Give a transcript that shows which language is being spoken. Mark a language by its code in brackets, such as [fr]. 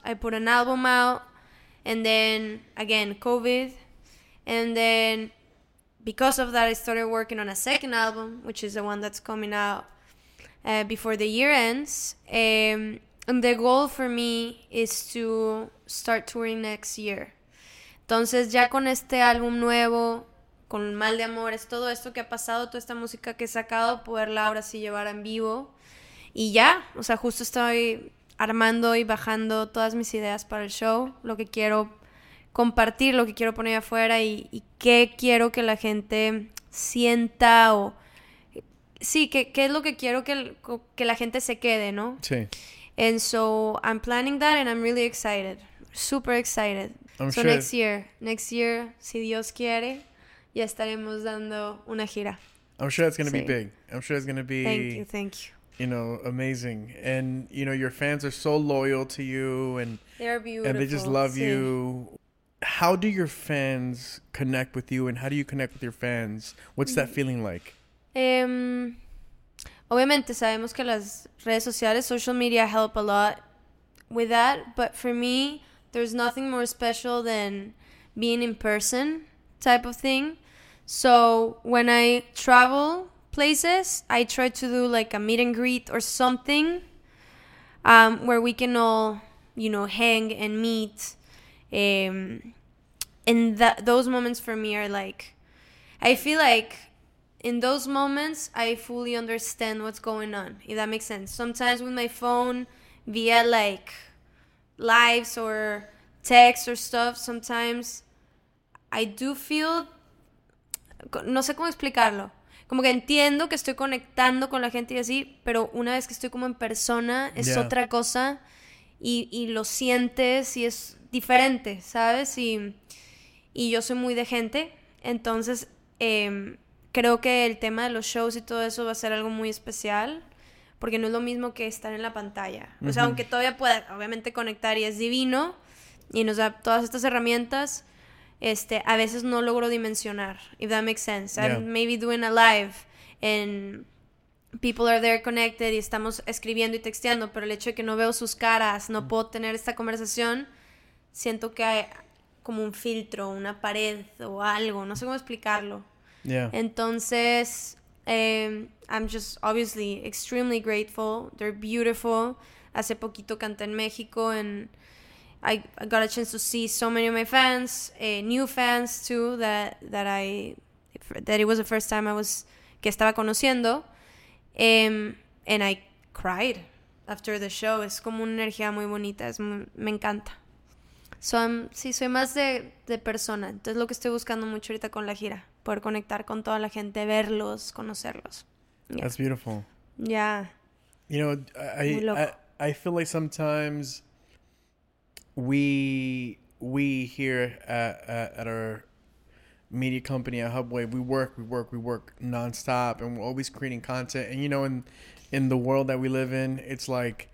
[en] I put an album out, and then again COVID, and then because of that I started working on a second album, which is the one that's coming out before the year ends. And the goal for me is to start touring next year. [es] Entonces ya con este álbum nuevo, con Mal de Amores, todo esto que ha pasado, toda esta música que he sacado, poderla ahora sí llevar en vivo. Y ya, o sea, justo estoy armando y bajando todas mis ideas para el show, lo que quiero compartir, lo que quiero poner afuera y qué quiero que la gente sienta o... Sí, qué es lo que quiero que la gente se quede, ¿no? Sí. [en] And so I'm planning that and I'm really excited, super excited. I'm sure. Next year, [es] si Dios quiere, ya estaremos dando una gira. [en] I'm sure it's going to be big. I'm sure it's going to be... Thank you. You know, amazing. And, you know, your fans are so loyal to you. They are beautiful. And they just love you. How do your fans connect with you and how do you connect with your fans? What's that feeling like? [es] Obviamente sabemos que las redes sociales, [en] social media help a lot with that. But for me, there's nothing more special than being in person type of thing. So when I travel places, I try to do like a meet and greet or something where we can all, you know, hang and meet. And those moments for me are like, I feel like, in those moments, I fully understand what's going on, if that makes sense. Sometimes with my phone, via like lives or texts or stuff, sometimes I do feel, [es] no sé cómo explicarlo, como que entiendo que estoy conectando con la gente y así, pero una vez que estoy como en persona, es [en] yeah. [es] otra cosa y lo sientes y es diferente, ¿sabes? Y yo soy muy de gente, entonces... creo que el tema de los shows y todo eso va a ser algo muy especial porque no es lo mismo que estar en la pantalla. Mm-hmm. O sea, aunque todavía pueda obviamente conectar y es divino y nos da todas estas herramientas, a veces no logro dimensionar, [en] if that makes sense. Yeah. I'm maybe doing a live and people are there connected [es] y estamos escribiendo y texteando, pero el hecho de que no veo sus caras, no puedo tener esta conversación, siento que hay como un filtro, una pared o algo, no sé cómo explicarlo. [en] Yeah. Entonces, I'm just obviously extremely grateful. They're beautiful. [es] Hace poquito canté en México [en] and I got a chance to see so many of my fans, new fans too, that it was the first time I was [es] que estaba conociendo. [en] And I cried after the show. [es] Es como una energía muy bonita, me encanta. So soy más de persona. Entonces lo que estoy buscando mucho ahorita con la gira, poder conectar con toda la gente, verlos, conocerlos. [en] Yeah. That's beautiful. Yeah. You know, I feel like sometimes we here at our media company at Hubwave, we work nonstop, and we're always creating content. And you know, in the world that we live in, it's like